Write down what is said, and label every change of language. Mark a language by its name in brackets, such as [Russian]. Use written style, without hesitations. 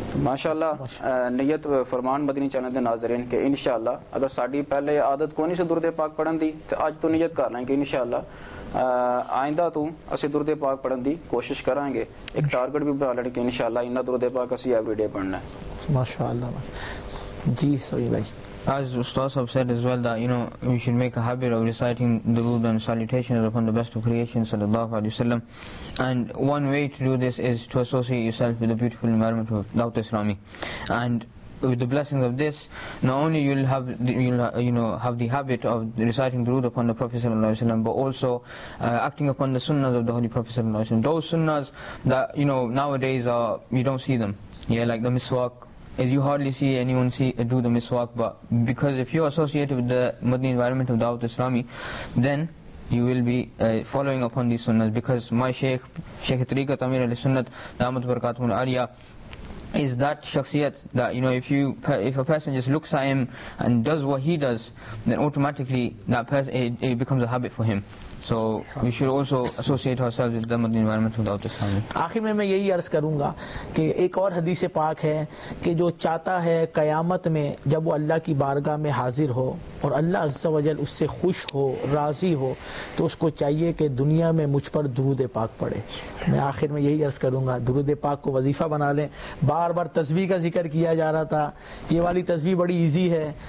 [Punjabi] ماشاءاللہ نیت فرمان مدنی چینل دے ناظرین کہ انشاءاللہ اگر ساڈی پہلے عادت کوئی نہیں سی درود پاک پڑھن دی تے اج تو نیت کر لیں کہ انشاءاللہ آئندہ تو اسی درود پاک پڑھن دی کوشش کریں گے. ایک ٹارگٹ بھی بنا لیں کہ انشاءاللہ انہاں درود پاک اسی [English] every day [Punjabi] پڑھنا ہے. [Urdu] ماشاءاللہ جی سوری بھائی. [English] As Ustaz have said as well that, you know, we should make a habit of reciting durood and salutations upon the best of creation, sallallahu alayhi wa sallam. And one way to do this is to associate yourself with the beautiful environment of Dawud-e Islami. And with the blessings of this, not only you'll have the habit of reciting durood upon the Prophet sallallahu alayhi wa sallam, but also acting upon the sunnahs of the Holy Prophet sallallahu alayhi wa sallam. Those sunnahs that, you know, nowadays are, you don't see them. Yeah, like the miswak. You hardly see anyone do the miswak, but because if you associate with the Madni environment of Dawud Islami, then you will be following upon these sunnahs. Because my Shaykh Tariqat Amir Ali Sunnat, Damat Barakatum Al Aliyah, is that shakhsiyat that, you know, if a person just looks at him and does what he does, then automatically that person, it becomes a habit for him. So we should also associate ourselves with them in the environment of Dawud-e Islami. [Urdu] آخر میں میں یہی عرض کروں گا کہ ایک اور حدیث پاک ہے کہ جو چاہتا ہے قیامت میں جب وہ اللہ کی بارگاہ میں حاضر ہو اور اللہ عز و جل اس سے خوش ہو راضی ہو تو اس کو چاہیے کہ دنیا میں مجھ پر درود پاک پڑے. میں آخر میں یہی عرض کروں گا درود پاک کو وظیفہ بنا لیں. بار بار تسبیح کا ذکر کیا جا رہا تھا, یہ والی تسبیح بڑی ایزی ہے.